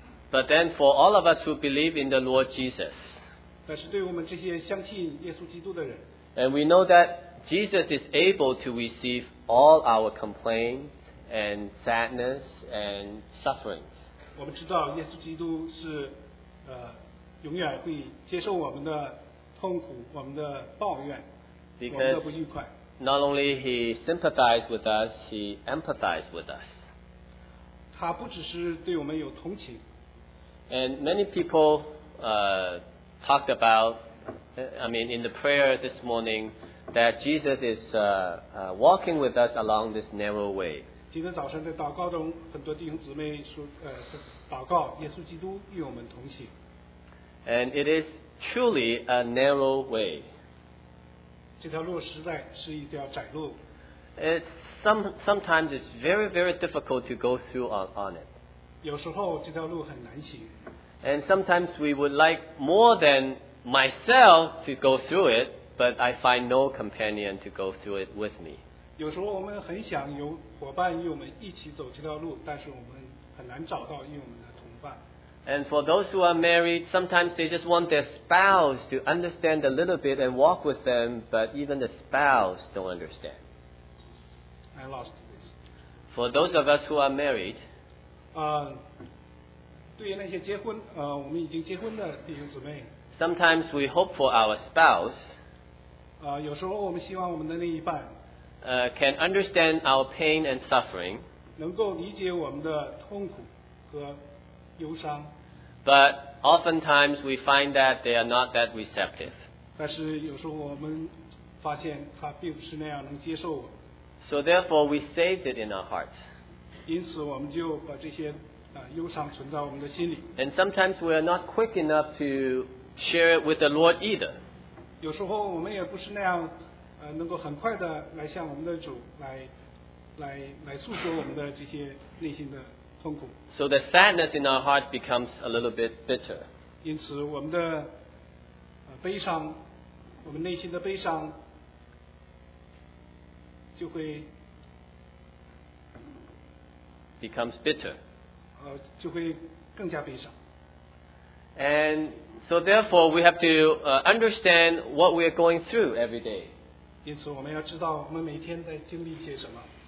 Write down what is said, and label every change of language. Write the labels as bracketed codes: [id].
[en] But then for all of us who believe in the Lord Jesus, [zh] 但是对我们这些相信耶稣基督的人, [en] and we know that Jesus is able to receive all our complaints and sadness and sufferings. [zh] 我们知道耶稣基督是永远会接受我们的痛苦我们的抱怨我们的不愉快。 [en] Not only he sympathized with us, he empathized with us. [zh] 他不只是对我们有同情。 [en] And many people talked about, I mean, in the prayer this morning, that Jesus is walking with us along this narrow way. [zh] 今天早上在祷告中，很多弟兄姊妹说，祷告耶稣基督与我们同行。 [en] And it is truly a narrow way. [zh] 这条路实在是一条窄路。 [en] Sometimes it's very, very difficult to go through on it. [zh] 有时候这条路很难行。 [en] And sometimes we would like more than myself to go through it, but I find no companion to go through it with me. [zh] 有时候我们很想有伙伴与我们一起走这条路，但是我们很难找到与我们的同伴。 [en] And for those who are married, sometimes they just want their spouse to understand a little bit and walk with them, but even the spouse don't understand. I lost this. For those of us who are married, [zh] 对于那些结婚，我们已经结婚的弟兄姊妹， [en] sometimes we hope for our spouse, [zh] 有时候我们希望我们的另一半， [en] can understand our pain and suffering, [zh] 能够理解我们的痛苦和忧伤， [en] but oftentimes we find that they are not that receptive. [zh] 但是有时候我们发现他并不是那样能接受我。 [en] So therefore, we saved it in our hearts. [zh] 因此我们就把这些忧伤存在我们的心里。 [en] And sometimes we are not quick enough to share it with the Lord either. [zh] 有时候我们也不是那样能够很快的来向我们的主来诉说我们的这些内心的痛苦。 [en] So the sadness in our heart becomes a little bit bitter. [zh] 因此我们的悲伤，我们内心的悲伤。就会 [en] becomes bitter. [zh] 就会更加悲伤。 [en] And so therefore we have to understand what we are going through every day. [zh] 因此我们要知道我们每天在经历些什么。